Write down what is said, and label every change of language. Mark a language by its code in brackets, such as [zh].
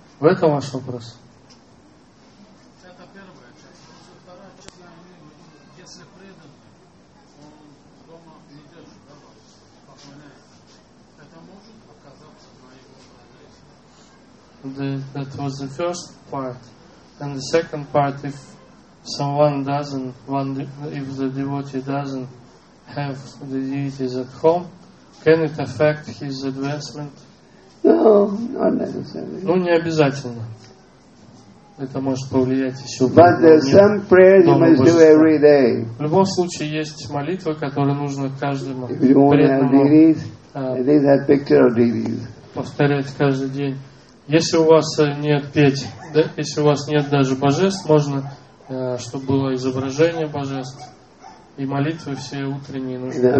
[ru] В этом ваш вопрос. Это первая часть. Вторая часть, если предан, он дома не держит, [en] That was the first part. And the second part, if someone doesn't, if the devotee doesn't have the deities at home, can it affect his advancement? No, not necessarily. [ru] Ну, не обязательно. Это может повлиять еще. [en] But there's some prayers you must do every day. [ru] В любом случае, есть молитва, которая нужна каждому. [en] If you only have deities, at least have picture of deities. [ru] Повторять каждый день. Если у вас нет петь, да, если у вас нет даже божеств, можно чтобы было изображение божеств и молитвы все утренние нужно